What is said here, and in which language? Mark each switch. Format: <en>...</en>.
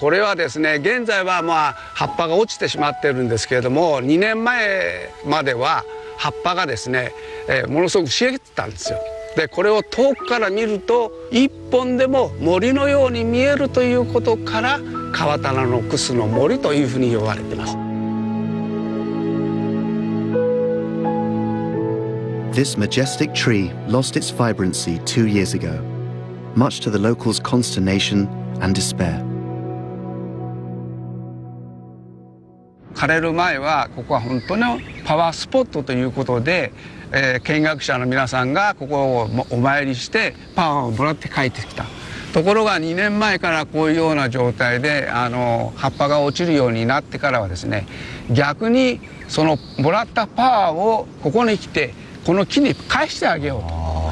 <ja>これはですね現在はまあ葉っぱが落ちてしまってるんですけれども2年前までは葉っぱがですね、ものすごく茂ってたんですよでこれを遠くから見ると一本でも森のように見えるということから川棚のクスの森というふうに呼ばれてます</ja> <en>This majestic tree lost its vibrancy 2 years ago much to the locals' consternationAnd despair.</en> <ja>枯れる前はここは本当のパワースポットということで、見学者の皆さんがここをお参りしてパワーをもらって帰ってきたところが2年前からこういうような状態で葉っぱが落ちるようになってからはですね逆にそのもらったパワーをここに来てこの木に返してあげようと</ja>